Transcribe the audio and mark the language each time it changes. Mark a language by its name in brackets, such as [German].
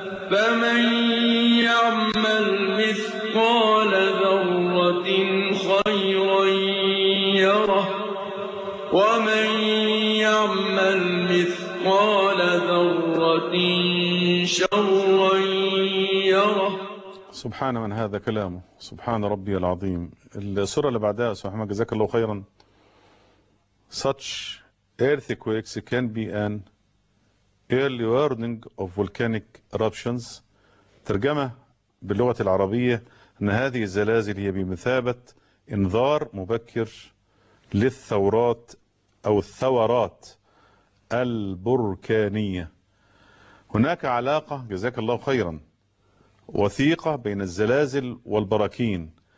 [Arabic] فمن يعمل مثقال ذرة خيرا يره، ومن يعمل مثقال ذرة شرا يره. سبحان من هذا كلامه، سبحان ربي العظيم. السورة اللي بعدها سبحانه جزاك الله خيرا. [English] Such earthquakes can be an early warning of volcanic eruptions. [Arabic] ترجمة باللغة العربية أن هذه الزلازل هي بمثابة انذار مبكر للثورات أو الثورات البركانية. هناك علاقة جزاك الله خيرا وثيقة بين الزلازل والبراكين.